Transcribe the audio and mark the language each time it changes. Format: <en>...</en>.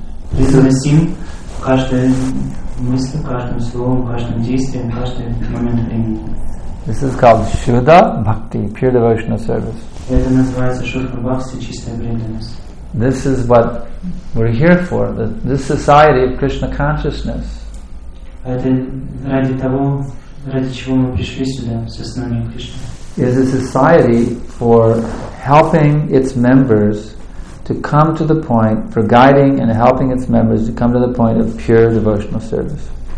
<ru>Приносим каждое мысль, каждым словом, каждым действием, каждый момент времени.</ru> <en>This is called Shuddha Bhakti, pure devotional service.</en> <ru>Это называется Shuddha Bhakti, чистая преданность.</ru> <en>This is what we're here for, this society of Krishna consciousness.</en> <ru>Это ради того, ради чего мы пришли сюда, в сознание Кришны.</ru> <en>Is a society for helping its members to come to the point, for guiding and helping its members to come to the point of pure devotional service.</en>